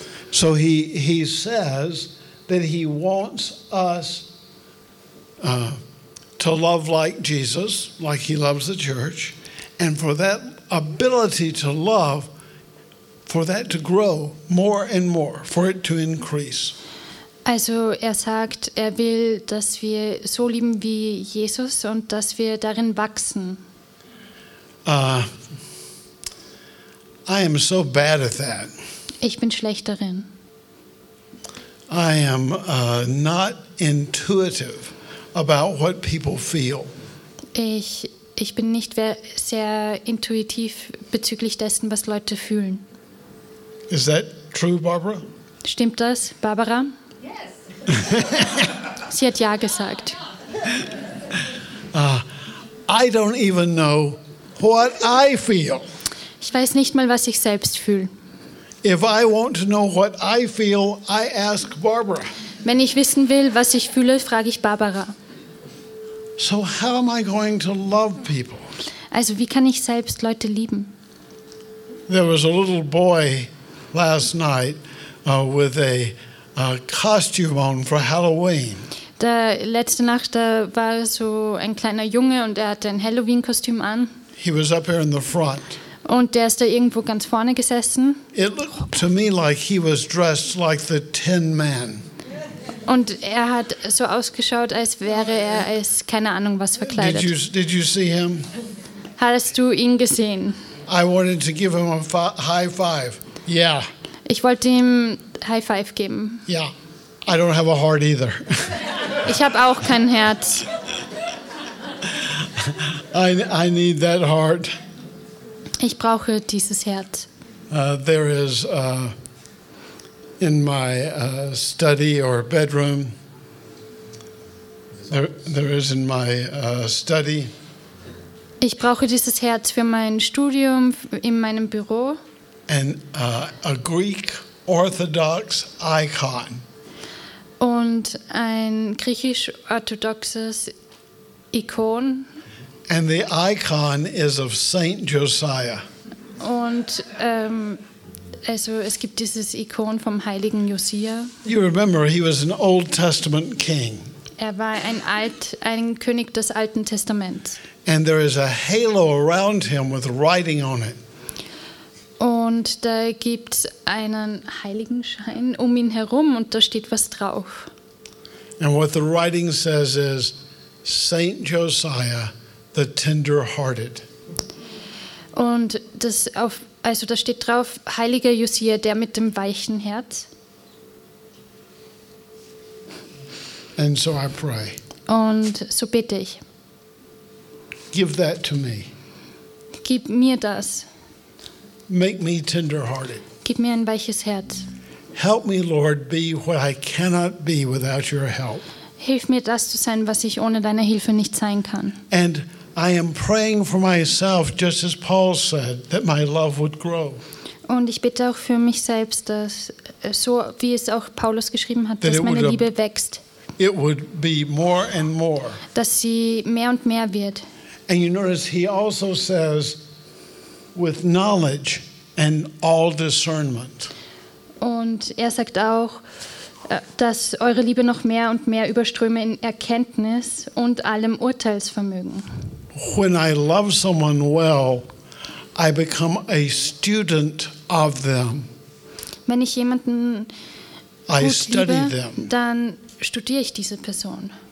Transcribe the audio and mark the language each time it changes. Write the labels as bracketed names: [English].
[English] So he says that he wants us to love like Jesus, like he loves the church, and for that ability to love, for that to grow more and more, for it to increase. [German] Also er sagt, er will, dass wir so lieben wie Jesus und dass wir darin wachsen. [English] I am so bad at that. [German] Ich bin schlecht darin. [English] I am not intuitive about what people feel. [German] Ich bin nicht sehr intuitiv bezüglich dessen, was Leute fühlen. [English] Is that true, Barbara? [German] Stimmt das, Barbara? [English] Yes. [German] Sie hat ja gesagt. [English] I don't even know what I feel. [German] Ich weiß nicht mal, was ich selbst fühle. [English] If I want to know what I feel, I ask Barbara. [German] Wenn ich wissen will, was ich fühle, frage ich Barbara. [English] So how am I going to love people? [German] Also, wie kann ich selbst Leute lieben? [English] There was a little boy last night with a costume on for Halloween. [German] Da letzte Nacht, da war so ein kleiner Junge und er hatte ein Halloween-Kostüm an. [English] He was up here in the front. [German] Und der ist da irgendwo ganz vorne gesessen. [English] It looked to me like he was dressed like the Tin Man. [German] Und er hat so ausgeschaut, als wäre er als keine Ahnung was verkleidet. [English] Did you see him? [German] Hast du ihn gesehen? [English] I wanted to give him a high five. Yeah. [German] Ich wollte ihm High Five geben. [English] Yeah. I don't have a heart either. [German] Ich habe auch kein Herz. [English] I need that heart. [German] Ich brauche dieses Herz. [English] There is in my study or bedroom. There is in my study. [German] Ich brauche dieses Herz für mein Studium in meinem Büro. [English] And a Greek Orthodox icon. [German] Und ein griechisch-orthodoxes Ikon. [English] And the icon is of Saint Josiah. [German] Und also es gibt dieses Ikon vom heiligen Josia. [English] You remember he was an Old Testament king. [German] Er war ein König des Alten Testaments. [English] And there is a halo around him with writing on it. [German] Und da gibt's einen Heiligenschein um ihn herum und da steht was drauf. [English] And what the writing says is Saint Josiah the tender-hearted. [German] Und das auf, also da steht drauf, heiliger Josia, der mit dem weichen Herz. [English] And so I pray. [German] Und so bete ich. [English] Give that to me. [German] Gib mir das. [English] Make me tender-hearted. [German] Gib mir ein weiches Herz. [English] Help me, Lord, be what I cannot be without your help. [German] Hilf mir, das zu sein, was ich ohne deine Hilfe nicht sein kann. [English] And I am praying for myself, just as Paul said, that my love would grow. [German] Und ich bitte auch für mich selbst, dass so wie es auch Paulus geschrieben hat, dass meine Liebe wächst. [English] It would be more and more. [German] Dass sie mehr und mehr wird. [English] And you notice he also says, with knowledge and all discernment. [German] Und er sagt auch, dass eure Liebe noch mehr und mehr überströme in Erkenntnis und allem Urteilsvermögen. [English] When I love someone well, I become a student of them. [German] Wenn ich jemanden gut [English] study [German] liebe, [English] them. [German] Dann studiere ich diese Person.